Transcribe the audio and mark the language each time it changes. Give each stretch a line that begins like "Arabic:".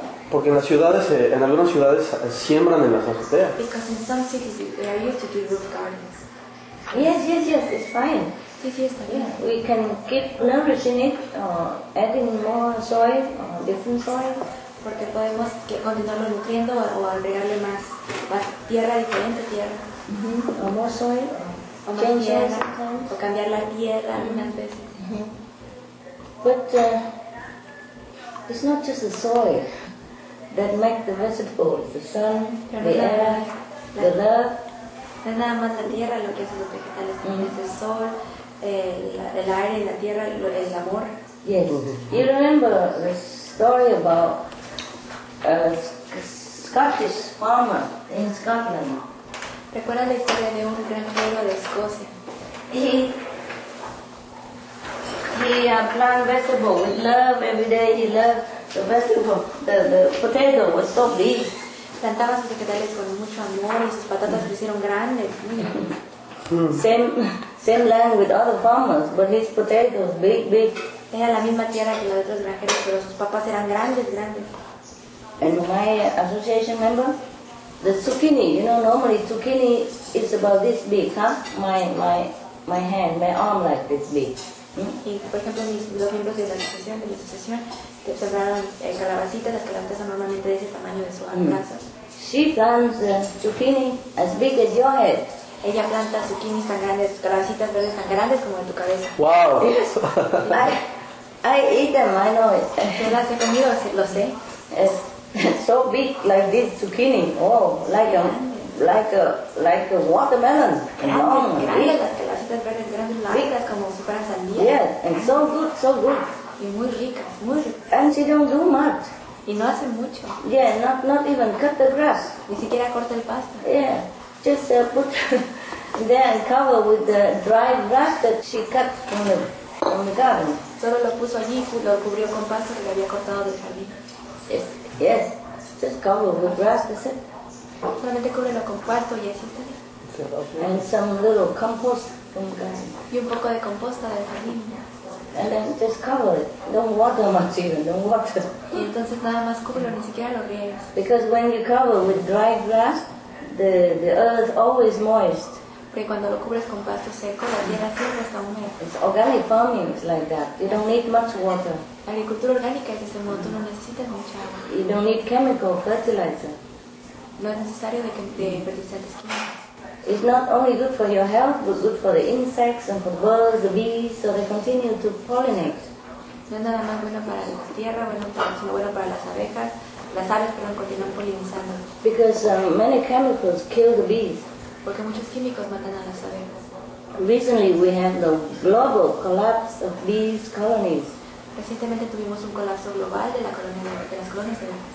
Spanish: Porque en las ciudades, en algunas ciudades siembran en las azoteas.
English: Because in some cities they are used to do roof gardens. Yes, yes, yes. It's fine.
Spanish: Sí,
English: Yeah, we can keep nourishing it, adding more soy, different soil.
Spanish: Porque podemos continuarlo nutriendo o agregarle más, más tierra, diferente tierra. Mm-hmm. O más soy, o más tierra, sometimes. O cambiar la tierra algunas veces. Mm-hmm.
English: But it's not just the soil that makes the vegetables, the sun, the air, the love.
Spanish: No es nada más la tierra lo que hace los vegetales, también es el sol, el aire y la tierra, el amor.
English: Yes. You remember the story about a Scottish farmer in Scotland.
Spanish: Recuerda la historia de un granjero de Escocia.
English: He planted vegetables with love every day. He loved the vegetable. The potato was so big.
Spanish: Plantaba sus vegetales con mucho amor y sus patatas crecieron grandes.
English: Same land with other farmers, but his potatoes big.
Spanish: Era la misma tierra que los otros granjeros, pero sus papas eran grandes.
English: And my association member, the zucchini, you know, normally zucchini is about this big, huh? My hand, my arm like this big.
Spanish: Y por ejemplo, mis dos miembros de la asociación, que sembraron calabacitas, las calabacitas son normalmente de ese tamaño de su brazo.
English: She plants zucchini as big as your head.
Spanish: Ella planta zucchini tan grandes, calabacitas verdes tan grandes como de tu cabeza.
English: Wow. I eat them, I know it.
Spanish: Yo las he comido, lo sé.
English: So big like this zucchini, oh, like a watermelon,
Spanish: grande,
English: long,
Spanish: grande, big. Las verdes grandes, largas, big. Como si fueran sandías.
English: Yes, and so good.
Spanish: Y muy ricas, muy ricas.
English: And she don't do much.
Spanish: Y no hace mucho.
English: Yeah, not even cut the grass.
Spanish: Ni siquiera corta el pasto.
English: Yeah, just put there and cover with the dry grass that she cut from the garden.
Spanish: Solo lo puso allí y lo cubrió con pasto que le había cortado del jardín.
English: Yes, just cover with grass, that's it.
Spanish: Solamente cúbrelo con pasto y así está bien.
English: And some little compost from the garden.
Spanish: Y un poco de composta del jardín.
English: And then just cover it. Don't water much even, don't water.
Spanish: Y entonces nada más cúbrelo, ni siquiera lo riegues.
English: Because when you cover with dry grass, the earth always moist.
Spanish: Porque cuando lo cubres con pasto seco, la tierra siempre está húmeda.
English: It's organic farming is like that. You don't need much water.
Spanish: La agricultura orgánica es de ese modo, tú no necesitas mucha agua.
English: You don't need chemical fertilizer.
Spanish: No es necesario de fertilizantes químicos.
English: It's not only good for your health, but good for the insects and for birds, the bees, so they continue to pollinate.
Spanish: No es nada más bueno para la tierra, sino bueno para las abejas. Las aves, perdón, continúan polinizando.
English: Because many chemicals kill the bees.
Spanish: Porque muchos químicos matan a las abejas.
English: Recently we had the global collapse of bees colonies.
Spanish: Recientemente tuvimos un colapso global de las colonias de abejas.